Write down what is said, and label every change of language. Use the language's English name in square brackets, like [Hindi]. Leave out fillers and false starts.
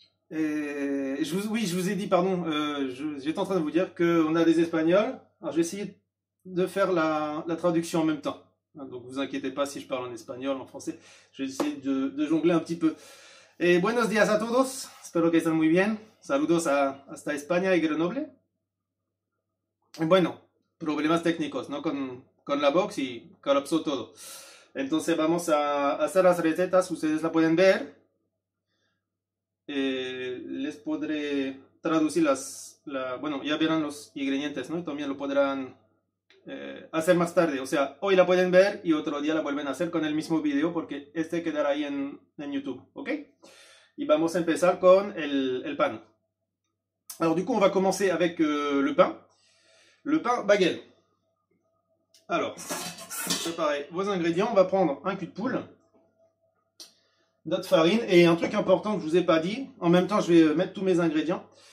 [French] Oui, je vous ai dit, pardon, j'étais en train de vous dire qu'on a des Espagnols. Alors, je vais essayer de faire la traduction en même temps. Donc, ne vous inquiétez pas si je parle en espagnol, en français. Je vais essayer de jongler un petit peu. [Spanish] Et buenos días a todos. Espero que estén muy bien. Saludos hasta España y Grenoble. Et bueno, problemas técnicos, ¿no? Con la box y colapsó todo. Entonces, vamos a hacer las recetas. Ustedes la pueden ver. Les podré traducir bueno, ya verán los ingredientes, ¿no? También lo podrán hacer más tarde. O sea, hoy la pueden ver y otro día la vuelven a hacer con el mismo video porque este quedará ahí en YouTube, ¿ok? Y vamos a empezar con el pan. [French] Alors, du coup, on va commencer avec le pain. Le pain baguette. Alors, préparez vos ingrédients. On va prendre un cul de poule. Notre farine et un truc important que je vous ai pas dit. En même temps, je vais mettre tous mes ingrédients.